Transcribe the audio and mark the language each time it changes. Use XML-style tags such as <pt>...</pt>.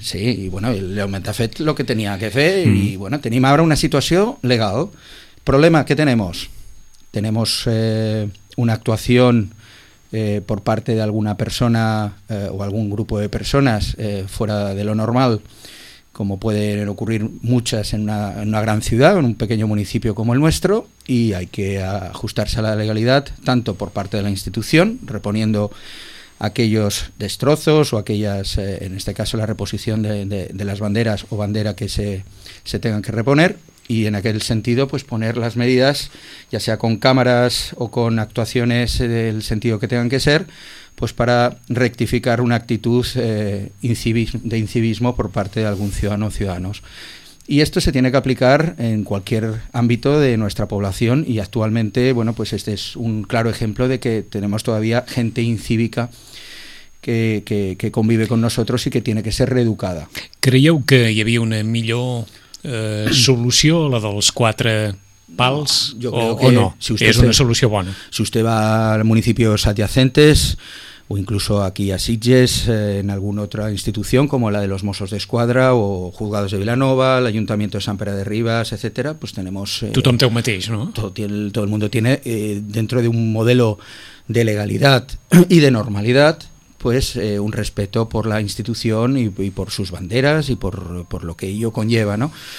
<ca>Sí, i bueno, l'Ajuntament ha fet el que tenia que fer i bueno, tenim ara una situació legal.</ca> <es>Problema, ¿qué tenemos? Tenemos una actuación por parte de alguna persona o algún grupo de personas fuera de lo normal, como pueden ocurrir muchas en una gran ciudad, en un pequeño municipio como el nuestro, y hay que ajustarse a la legalidad, tanto por parte de la institución, reponiendo aquellos destrozos o aquellas, en este caso, la reposición de las banderas o bandera que se tengan que reponer, y en aquel sentido pues poner las medidas, ya sea con cámaras o con actuaciones del sentido que tengan que ser, pues para rectificar una actitud de incivismo por parte de algún ciudadano o ciudadanos. Y esto se tiene que aplicar en cualquier ámbito de nuestra población y actualmente, bueno, pues este es un claro ejemplo de que tenemos todavía gente incívica que convive con nosotros y que tiene que ser reeducada.</es> <ca>¿Creieu que hi havia una millor solució, la dels quatre pals, no?</ca> <es>Si usted</es> <ca>és una solució bona.</ca> <es>Si usted va a municipios adyacentes o incluso aquí a Sitges, en alguna otra institución como la de los Mossos d'Esquadra o Juzgados de Vilanova, el Ayuntamiento de San Pere de Ribas, etcétera, pues tenemos...</es> <ca>Tothom té el mateix, no?</ca> <es>Todo el mundo tiene, dentro de un modelo de legalidad y de normalidad, pues un respeto por la institución y por sus banderas y por lo que ello conlleva, ¿no?</es>